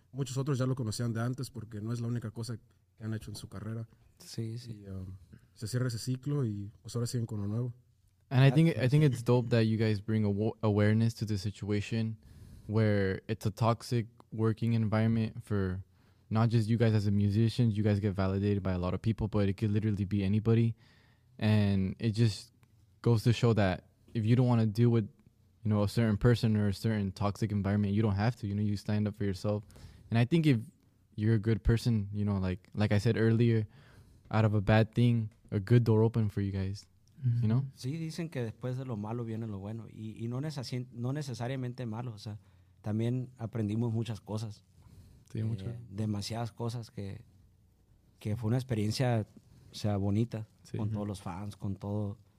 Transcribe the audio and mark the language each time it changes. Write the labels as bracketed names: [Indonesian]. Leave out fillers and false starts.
[Spanish] Muchos otros ya lo conocían de antes porque no es la única cosa que han hecho en su carrera. Sí, sí. Y, se cierra ese ciclo y pues ahora siguen con lo nuevo. [English] And I think it's dope that you guys bring awareness to the situation where it's a toxic working environment for not just you guys as a musician. You guys get validated by a lot of people, but it could literally be anybody. And it just goes to show that if you don't want to deal with, you know, a certain person or a certain toxic environment, you don't have to, you know, you stand up for yourself. And I think if you're a good person, you know, like I said earlier, out of a bad thing, a good door open for you guys. You know? [Spanish] Sí, dicen que después de lo malo viene lo bueno y no necesariamente malo, o sea, también aprendimos muchas cosas, sí, mucho. Demasiadas cosas que que fue una experiencia, o sea, bonita, sí, con todos los fans, con todo.